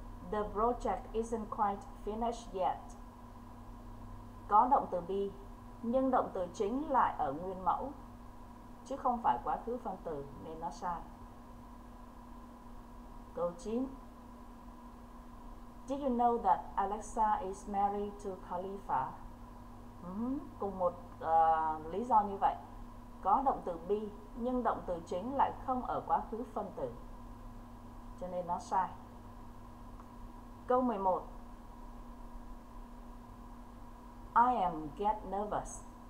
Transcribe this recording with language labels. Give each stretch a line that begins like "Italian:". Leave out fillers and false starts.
English: The project isn't quite finished yet.
Vietnamese: Có động từ be, nhưng động từ chính lại ở nguyên mẫu, chứ không phải quá khứ phân tử nên nó sai. Câu 9.
English: Did you know that Alexa is married to Khalifa?
Vietnamese: Cùng một lý do như vậy. Có động từ be, nhưng động từ chính lại không ở quá khứ phân tử, cho nên nó sai. Câu 11.
English: I am get nervous.